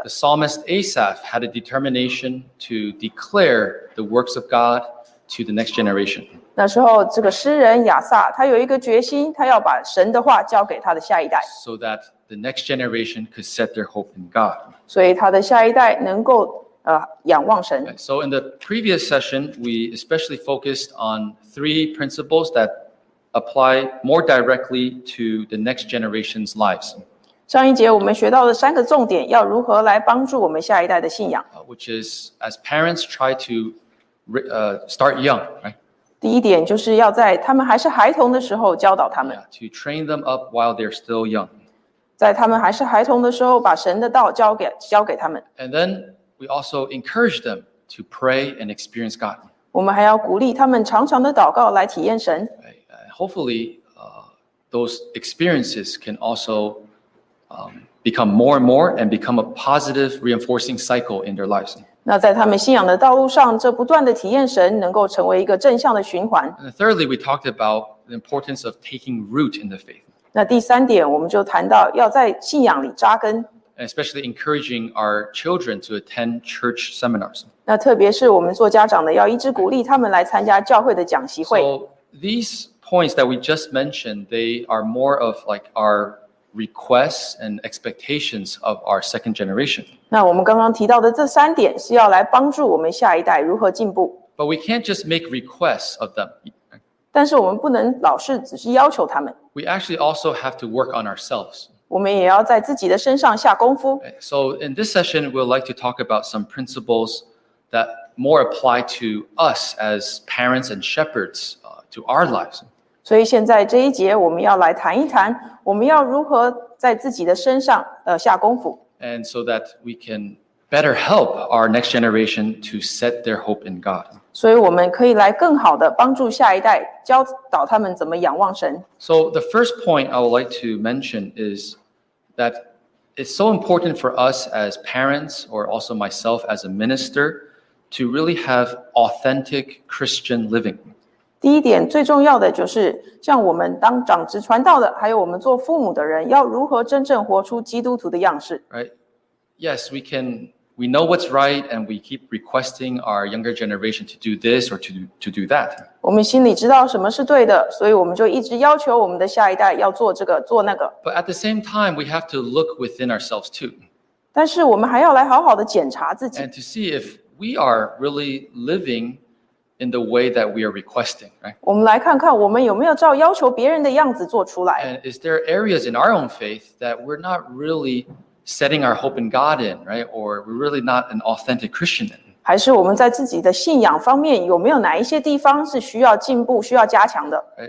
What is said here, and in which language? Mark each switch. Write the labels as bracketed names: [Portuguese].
[English] The psalmist Asaph had a determination to declare the works of God to the next generation. [Chinese] 那时候这个诗人亚萨, 他有一个决心, 他要把神的话交给他的下一代。 [English] So that the next generation could set their hope in God. [Chinese] 所以他的下一代能够, 仰望神。 [English] So in the previous session, we especially focused on three principles that apply more directly to the next generation's lives. [Chinese] 上一节我们学到了三个重点, 要如何来帮助我们下一代的信仰。 [English] Which is, as parents try to start young, right? [Chinese] 第一点就是要在他们还是孩童的时候教导他们。 [English] Yeah, to train them up while they're still young. [Chinese] 在他们还是孩童的时候把神的道交给他们。 [English] And then we also encourage them to pray and experience God. [Chinese] 我们还要鼓励他们常常的祷告来体验神。 [English] Hopefully, those experiences can also become more and more and become a positive reinforcing cycle in their lives. [Chinese] 那在他们信仰的道路上, 这不断的体验神, 能够成为一个正向的循环。 [English] And thirdly, we talked about the importance of taking root in the faith. [Chinese] 那第三点, 我们就谈到, 要在信仰里扎根。 [English] Especially encouraging our children to attend church seminars. [Chinese] 那特别是我们做家长的, 要一直鼓励他们来参加教会的讲习会。 [English] So these points that we just mentioned, they are more of like our requests and expectations of our second generation. [Chinese] 那我们刚刚提到的这三点是要来帮助我们下一代如何进步。 [English] But we can't just make requests of them. [Chinese] 但是我们不能老是只是要求他们。 [English] We actually also have to work on ourselves. [Chinese] 我们也要在自己的身上下功夫。 [English] So in this session, we'd like to talk about some principles that more apply to us as parents and shepherds to our lives. [Chinese] 所以现在这一节我们要来谈一谈，我们要如何在自己的身上下功夫。 [English] And so that we can better help our next generation to set their hope in God. [Chinese] 所以我们可以来更好的帮助下一代，教导他们怎么仰望神。 [English] So the first point I would like to mention is that it's so important for us as parents, or also myself as a minister, to really have authentic Christian living. [Chinese] 第一点最重要的就是，像我们当长职传道的，还有我们做父母的人，要如何真正活出基督徒的样式。 [English] Right. Yes, we can. We know what's right, and we keep requesting our younger generation to do this or to do that. [Chinese] 我们心里知道什么是对的，所以我们就一直要求我们的下一代要做这个做那个。 [English] But at the same time, we have to look within ourselves too. [Chinese] 但是我们还要来好好的检查自己。 [English] And to see if we are really living in the way that we are requesting, right? [Chinese] 我们来看看我们有没有照要求别人的样子做出来。 [English] And is there areas in our own faith that we're not really setting our hope in God in, right? Or we're really not an authentic Christian in? [Chinese] 还是我们在自己的信仰方面有没有哪一些地方是需要进步、需要加强的？